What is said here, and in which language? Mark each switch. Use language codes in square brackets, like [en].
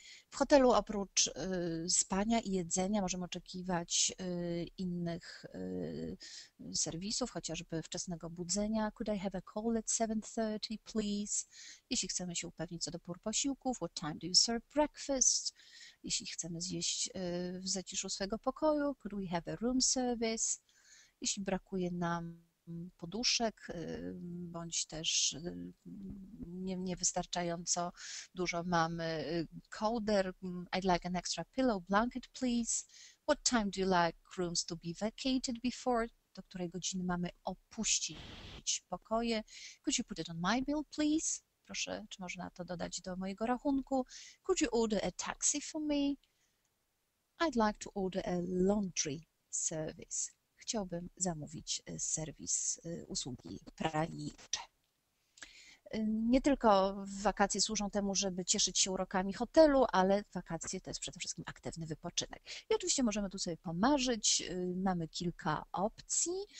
[pl] W hotelu oprócz spania i jedzenia możemy oczekiwać innych serwisów, chociażby wczesnego budzenia. [en] Could I have a call at 7:30, please? [pl] Jeśli chcemy się upewnić co do pór posiłków, [en] what time do you serve breakfast? [pl] Jeśli chcemy zjeść w zaciszu swojego pokoju, [en] could we have a room service? [pl] Jeśli brakuje nam poduszek, bądź też niewystarczająco dużo mamy kołder. [en] I'd like an extra pillow, blanket, please. What time do you like rooms to be vacated before? [pl] Do której godziny mamy opuścić pokoje? [en] Could you put it on my bill, please? [pl] Proszę, czy można to dodać do mojego rachunku? [en] Could you order a taxi for me? I'd like to order a laundry service. [pl] Chciałbym zamówić serwis, usługi pralnicze. Nie tylko wakacje służą temu, żeby cieszyć się urokami hotelu, ale wakacje to jest przede wszystkim aktywny wypoczynek. I oczywiście możemy tu sobie pomarzyć. Mamy kilka opcji.